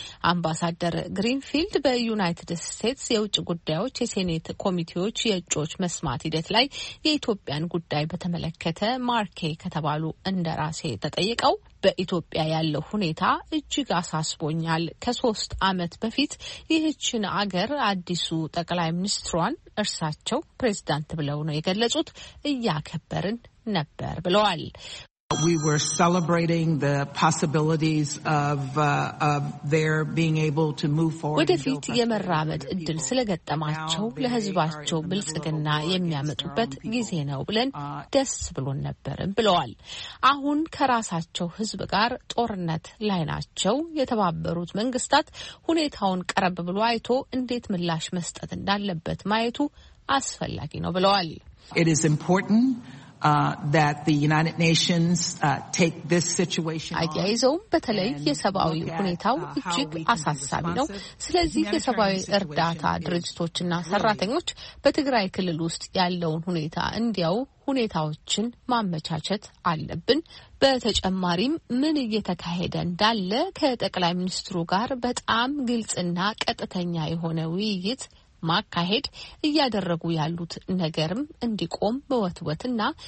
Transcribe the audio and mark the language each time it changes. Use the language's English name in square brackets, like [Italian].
[Amharic] አምባሳደር ግሪንፊልድ በዩናይትድ ስቴትስ የውጭ ጉዳዮች የሴኔት ኮሚቴዎች የእጩዎች መስማት ሂደት ላይ የኢትዮጵያን ጉዳይ በተመለከተ ማርኬ ከተባሉ እንደራሴ ተጠይቀው በኢትዮጵያ ያለው ሁኔታ እጅግ አሳስቦኛል። ከሶስት አመት በፊት ይህችን አገር አዲሱ ጠቅላይ ሚኒስትሯን እርሳቸው ፕሬዝዳንት ብለው ነው የገለጹት እያከበርን ነበር ብለዋል። [English] We were celebrating the possibilities of their being able to move forward. [Amharic] ወደፊት የመራመድ እድል ስለገጠማቸው ለህዝባቸው ብልጽግና የሚያመጡበት ጊዜ ነው ብለን ደስ ብሎን ነበር ብለዋል። አሁን ከራሳቸው ህዝብ ጋር ጦርነት ላይ ናቸው። የተባበሩት መንግስታት ሁኔታውን ቀረብ ብሎ አይቶ እንዴት ምላሽ መስጠት እንዳለበት ማየቱ አስፈላጊ ነው ብለዋል። [English] It is important that the United Nations take this situation on. [Amharic] አያይዘውም በተለይ የሰብአዊ ሁኔታው እጅግ አሳሳቢ ነው። ስለዚህ የሰብአዊ እርዳታ ድርጅቶችና ሰራተኞች በትግራይ ክልል ውስጥ ያለውን ሁኔታ እንዲያው ሁኔታዎችን ማመቻቸት አለብን። በተጨማሪም ምን እየተካሄደ እንዳለ ከጠቅላይ ሚኒስትሩ ጋር በጣም ግልጽና ቀጥተኛ የሆነ ውይይት ማካሄድ እያደረጉ ያሉት ነገርም እንዲቆም በወትወትና